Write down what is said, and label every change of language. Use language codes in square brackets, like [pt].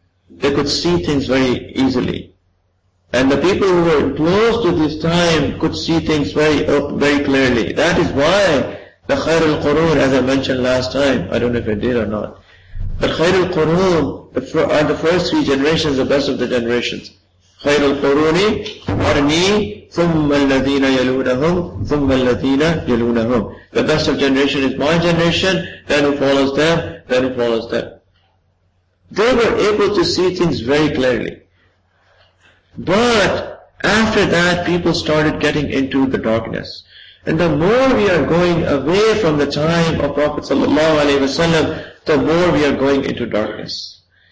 [en] They could see things very easily. And the people who were close to this time could see things very clearly. That is why the Khair al-Qurun, as I mentioned last time, I don't know if I did or not, but Khair al-Qurun are the first three generations, the best of the generations. [ar] خير القرون قرني ثم الذين يلونهم ثم الذين يلونهم. [en] The best of generation is my generation, then who follows them, then who follows them. They were able to see things very clearly. But after that, people started getting into the darkness. And the more we are going away from the time of Prophet sallallahu alayhi wa sallam, the more we are going into darkness.